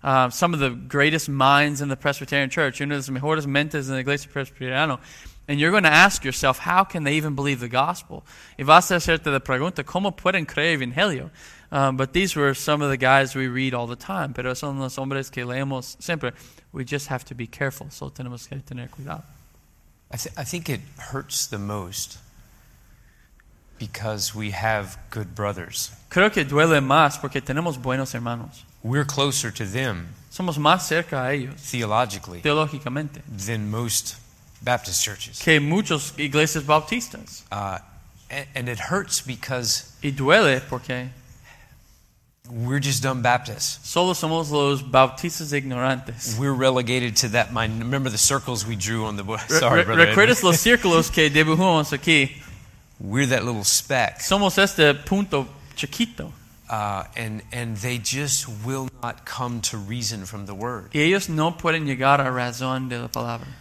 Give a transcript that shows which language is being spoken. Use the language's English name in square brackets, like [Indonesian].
[English] Some of the greatest minds in the Presbyterian Church. [Spanish] Uno de los mejores mentes en la iglesia presbiteriana. [English] And you're going to ask yourself, how can they even believe the gospel? [Spanish] Y vas a hacerte la pregunta, ¿cómo pueden creer el evangelio? [English] But these were some of the guys we read all the time. [Spanish] Pero son los hombres que leemos siempre. [English] We just have to be careful. [Spanish] Solo tenemos que tener cuidado. [English] I think it hurts the most Because we have good brothers. [Spanish] Creo que duele más porque tenemos buenos hermanos. [English] We're closer to them. [Spanish] Somos más cerca a ellos. [English] Theologically. [Spanish] Teológicamente. [English] Than most Baptist churches. [Spanish] Que muchos iglesias bautistas. [English] And it hurts because. [Spanish] Y duele porque. [English] We're just dumb Baptists. [Spanish] Solo somos los bautistas ignorantes. [English] We're relegated to that. Remember the circles we drew on the board. Sorry, brother. [Spanish] Recuerdas los círculos que dibujamos aquí. [English] We're that little speck. [Spanish] Somos este punto chiquito. [English] And they just will not come to reason from the word. [Spanish] Y ellos no pueden llegar a razón de la palabra.